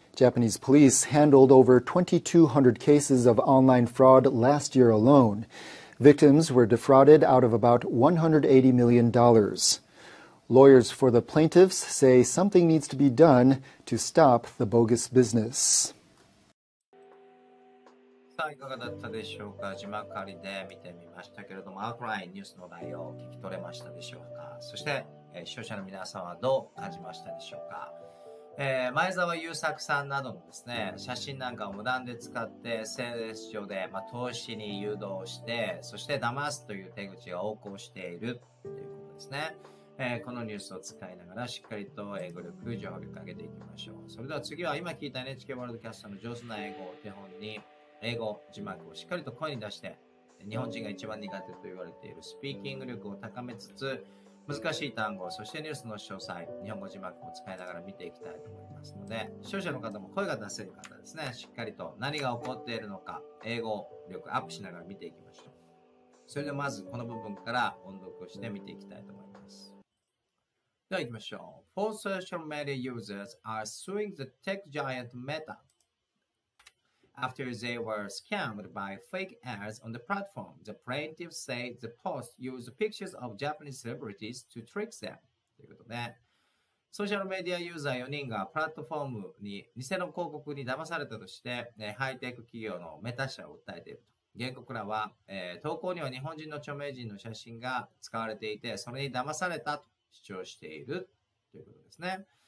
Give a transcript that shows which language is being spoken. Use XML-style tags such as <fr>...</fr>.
<en>Japanese police handled over 2,200 cases of online fraud last year alone. Victims were defrauded out of about $180 million. Lawyers for the plaintiffs say something needs to be done to stop the bogus business.</en> <ja>いかがだったでしょうか。字幕ありで見てみましたけれども、アウトラインニュースの内容を聞き取れましたでしょうか。そして視聴者の皆さんはどう感じましたでしょうか。前澤友作さんなどのですね、写真なんかを無断で使って SNS 上で、まあ、投資に誘導してそして騙すという手口が横行しているということですね。このニュースを使いながらしっかりと英語力を上げかけていきましょう。それでは次は今聞いた NHK ワールドキャストの上手な英語を手本に英語字幕をしっかりと声に出して日本人が一番苦手と言われているスピーキング力を高めつつ難しい単語、そしてニュースの詳細、日本語字幕も使いながら見ていきたいと思いますので、視聴者の方も声が出せる方ですね、しっかりと何が起こっているのか、英語力アップしながら見ていきましょう。それではまずこの部分から音読して見ていきたいと思います。では行きましょう。</ja> <en>Four social media users are suing the tech giant Meta after they were scammed by fake ads on the platform. The plaintiffs say the post used pictures of Japanese celebrities to trick them.</en> <ja>ということで、ソーシャルメディアユーザー4人がプラットフォームに偽の広告に騙されたとして、ハイテク企業のメタ社を訴えていると。原告らは、投稿には日本人の著名人の写真が使われていて、それに騙されたと主張しているということですね。</ja>